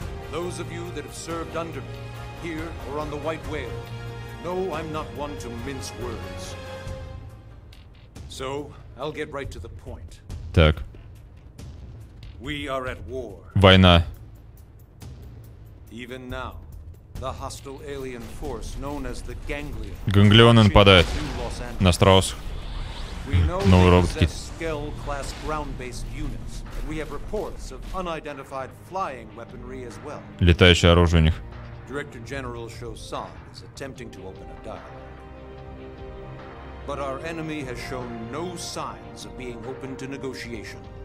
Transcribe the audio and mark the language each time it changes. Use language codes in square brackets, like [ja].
[en] Those of you that have served under me, here or on the White Whale, know I'm not one to mince words. So, I'll get right to the point. [ru] Так. [en] We are at war. [ru] Война. [en] Even now, the hostile alien force known as the Ganglion. [ru] Ганглионы нападают на Страус. Новый робот Кит. [en] Skell-class ground-based units. And we have reports of unidentified flying weaponry as well. [ru] Летающее оружие у них. [en] Director General Shosan is attempting to open a dialogue. But our enemy has shown no signs of being open to negotiation.